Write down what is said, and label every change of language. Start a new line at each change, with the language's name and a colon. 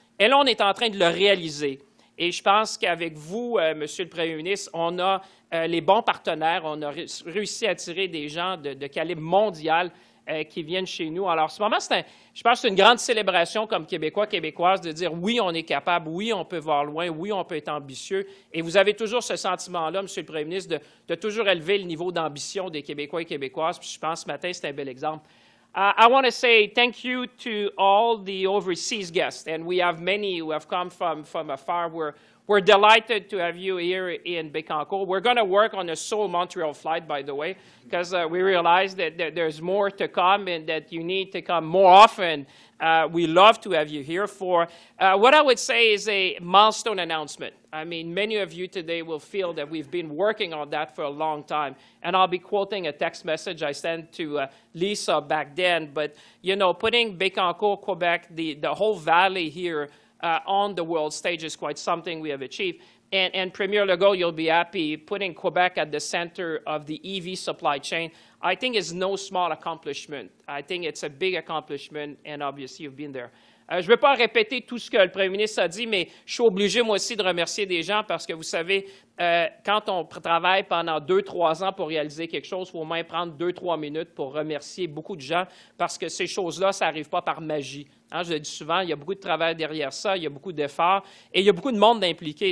French: Et là, on est en train de le réaliser. Et je pense qu'avec vous, Monsieur le Premier ministre, on a les bons partenaires, on a réussi à attirer des gens de calibre mondial qui viennent chez nous. Alors, en ce moment, c'est une grande célébration comme Québécois, Québécoises, de dire oui, on est capable, oui, on peut voir loin, oui, on peut être ambitieux. Et vous avez toujours ce sentiment-là, Monsieur le Premier ministre, de toujours élever le niveau d'ambition des Québécois et Québécoises. Puis je pense que ce matin, c'est un bel exemple.
English: I want to say thank you to all the overseas guests, and we have many who have come from afar. We're delighted to have you here in Bécancour. We're going to work on a Seoul Montreal flight, by the way, because we realize that there's more to come and that you need to come more often. We love to have you here for what I would say is a milestone announcement. I mean, many of you today will feel that we've been working on that for a long time. And I'll be quoting a text message I sent to Lisa back then. But, you know, putting Bécancour, Quebec, the whole valley here, on the world stage is quite something we have achieved. And Premier Legault, you'll be happy, putting Quebec at the center of the EV supply chain, I think is no small accomplishment. I think it's a big accomplement, and obviously you've been there.
French: Je ne vais pas répéter tout ce que le Premier ministre a dit, mais je suis obligé moi aussi de remercier des gens parce que vous savez, quand on travaille pendant 2-3 ans pour réaliser quelque chose, il faut au moins prendre 2-3 minutes pour remercier beaucoup de gens parce que ces choses-là, ça n'arrive pas par magie. Hein, je le dis souvent, il y a beaucoup de travail derrière ça, il y a beaucoup d'efforts et il y a beaucoup de monde impliqué.